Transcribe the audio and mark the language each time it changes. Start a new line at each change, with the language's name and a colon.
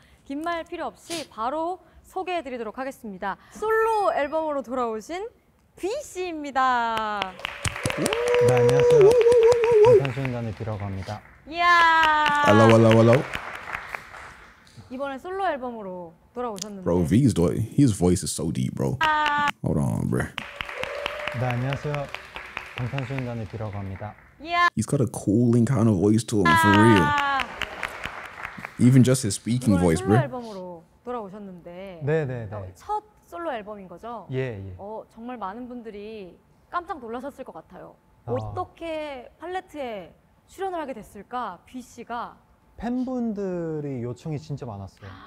Korean: 긴 말 필요 없이 바로 소개해 드리도록 하겠습니다. 솔로 앨범으로 돌아오신 B씨입니다. 네, 안녕하세요. 방탄소년단을 빌어갑니다. 이야!
English: Hello, hello, hello.
Korean: 이번에 솔로 앨범으로 돌아오셨는데.
English: Bro, V's his voice is so deep, bro. 아~ Hold on, bro.
Korean: 네, 안녕하세요. 방탄소년단을 빌어갑니다. 이야!
English: He's got a cooling kind of voice to him, for real. 아~ Even just his speaking voice, bro.
Korean: 솔로 앨범으로 돌아오셨는데. 네, 네, 네. 첫 솔로 앨범인 거죠? 예, 예. 정말 많은 분들이 깜짝 놀라셨을 것 같아요. 어떻게 팔레트에 출연을 하게 됐을까? B씨가 팬분들이 요청이 진짜 많았어요.